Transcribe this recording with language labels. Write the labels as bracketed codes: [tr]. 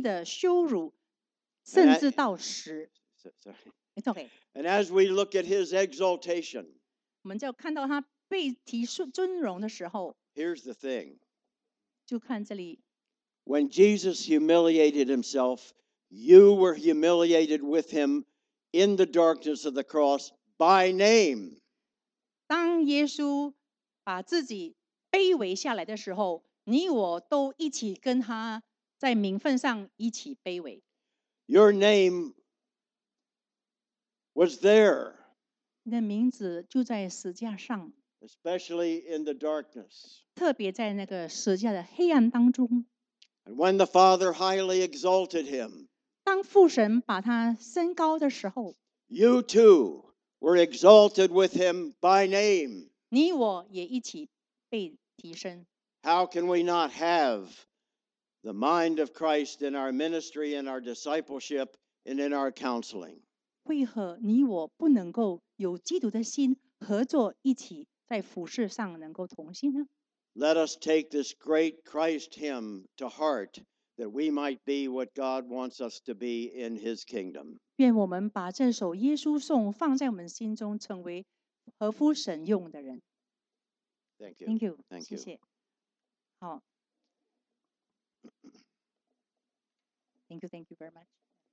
[zh] 这个就是那个架构或模式，就是他以父神暂时隔离，成为奴仆，然后他经历的羞辱，甚至到死。 [en] It's okay. And as we look at his exaltation, [zh] 我们就看到他被提尊荣的时候。 [en] Here's the thing. [zh] 就看这里。 [en] When Jesus humiliated himself, you were humiliated with him in the darkness of the cross by name. [zh] 当耶稣把自己卑微下来的时候，你我都一起跟他在名分上一起卑微。 [en] Your name was there. [zh] 你的名字就在十字架上。 [en] Especially in the darkness. [zh] 特别在那个十字架的黑暗当中。 [en] And when the Father highly exalted him, [zh] 当父神把他升高的时候, [en] you too were exalted with him by name. [zh] 你我也一起被提升。 [en] How can we not have the mind of Christ in our ministry, in our discipleship, and in our counseling? [zh] 为何你我不能够有基督的心合作一起在服事上能够同心呢？ [en] Let us take this great Christ hymn to heart that we might be what God wants us to be in His kingdom. [zh] 愿我们把这首耶稣颂放在我们心中，成为合乎神用的人。 [en] Thank you. Thank you. Thank you. [zh] 谢谢。好。 [en] Thank you. Thank you very much.